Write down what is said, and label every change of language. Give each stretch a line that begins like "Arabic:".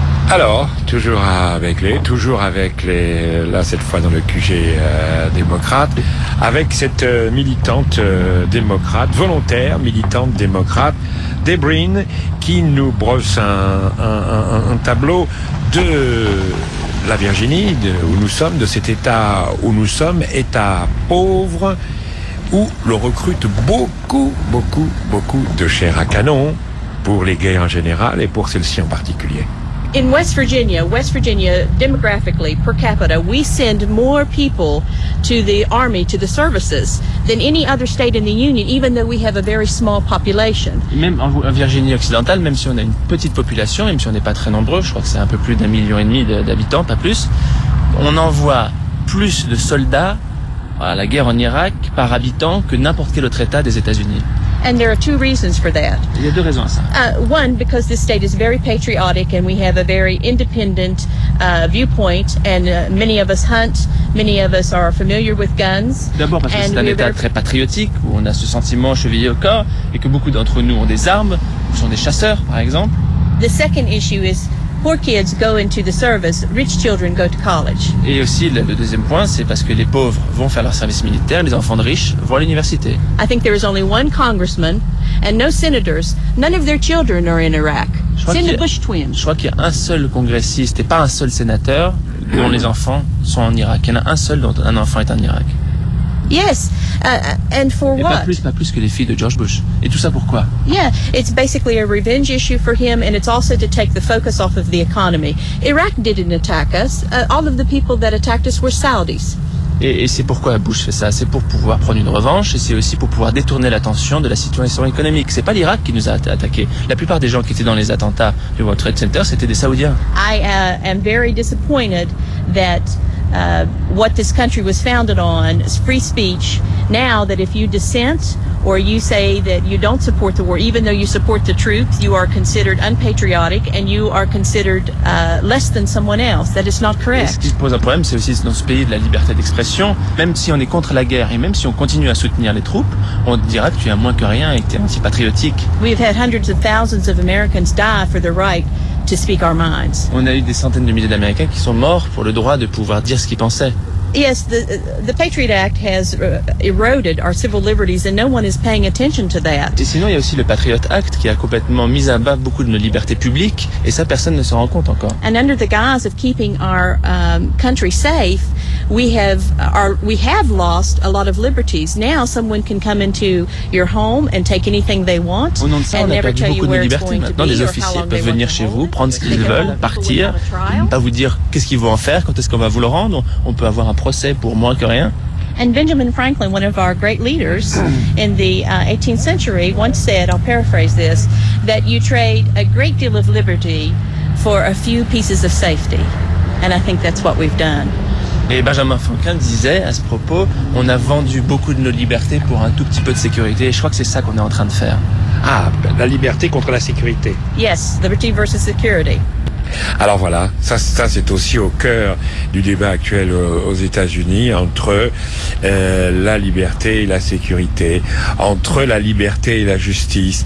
French: Alors, toujours avec les, là cette fois dans le QG démocrate, avec cette militante démocrate, volontaire, militante démocrate, Debrin, qui nous brosse un tableau de la Virginie, de, où nous sommes, de cet état où nous sommes, état pauvre, où l'on recrute beaucoup, beaucoup, beaucoup de chair à canon pour les gays en général et pour celle-ci en particulier.
English: In West Virginia, demographically, per capita, we send more people to the Army, to the services, than any other state in the Union, even though we have a very small population.
French: Même en Virginie occidentale, même si on a une petite population, même si on n'est pas très nombreux, je crois que c'est un peu plus d'1,5 million d'habitants, pas plus, on envoie plus de soldats à la guerre en Irak par habitant que n'importe quel autre État des États-Unis.
English: And there are two reasons for that.
French: Il y a deux raisons à ça.
English: One, because this state is very patriotic and we have a very independent viewpoint and many of us hunt, many of us are familiar with guns.
French: D'abord parce que c'est un état très patriotique où on a ce sentiment chevillé au corps et que beaucoup d'entre nous ont des armes, ou sont des chasseurs par exemple.
English: The second issue is poor kids go into the service, rich children go to college.
French: Et aussi le deuxième point, c'est parce que les pauvres vont faire leur service militaire, les enfants de riches vont à l'université.
English: I think there is only one congressman and no senators. None of their children are in Iraq. Send the Bush twins.
French: Je crois qu'il y a un seul congressiste et pas un seul sénateur dont les enfants sont en Irak. Il y en a un seul dont un enfant est en Irak.
English: Yes, and for what?
French: Et pas plus que les filles de George Bush. Et tout ça pourquoi?
English: Yeah, it's basically a revenge issue for him, and it's also to take the focus off of the economy. Iraq didn't attack us. All of the people that attacked us were Saudis.
French: Et c'est pourquoi Bush fait ça. C'est pour pouvoir prendre une revanche, et c'est aussi pour pouvoir détourner l'attention de la situation économique. C'est pas l'Irak qui nous a attaqués. La plupart des gens qui étaient dans les attentats du World Trade Center, c'était des Saoudiens.
English: I am very disappointed that. What this country was founded on is free speech. Now that if you dissent or you say that you don't support the war, even though you support the truth, you are considered unpatriotic and you are considered less than someone else. That is not correct.
French: Et ce qui pose un problème, c'est aussi dans ce pays de la liberté d'expression. Même si on est contre la guerre et même si on continue à soutenir les troupes, on dira que tu es moins que rien et que tu es antipatriotique.
English: We have had hundreds of thousands of Americans die for their right to speak our minds.
French: On a eu des centaines de milliers d'Américains qui sont morts pour le droit de pouvoir dire ce qu'ils pensaient.
English: Yes, the Patriot Act has eroded our civil liberties and no one is paying attention to that.
French: Et sinon, il y a aussi le Patriot Act qui a complètement mis à bas beaucoup de nos libertés publiques et ça, personne ne s'en rend compte encore.
English: And under the guise of keeping our country safe, we have lost a lot of liberties. Now someone can come into your home and take anything they want.
French: Au nom de ça, on a perdu beaucoup de libertés. Maintenant, les officiers peuvent venir chez vous, prendre ce qu'ils veulent, partir, pas vous dire qu'est-ce qu'ils vont en faire, quand est-ce qu'on va vous le rendre. On peut avoir un procès pour moins que rien.
English: And Benjamin Franklin, one of our great leaders in the 18th century, once said, I'll paraphrase this, that you trade a great deal of liberty for a few pieces of safety. And I think that's what we've done.
French: Et Benjamin Franklin disait à ce propos, on a vendu beaucoup de nos libertés pour un tout petit peu de sécurité. Et je crois que c'est ça qu'on est en train de faire. Ah, la liberté contre la sécurité.
English: Yes, liberty versus security.
French: Alors voilà, ça c'est aussi au cœur du débat actuel aux États-Unis entre la liberté et la sécurité, entre la liberté et la justice.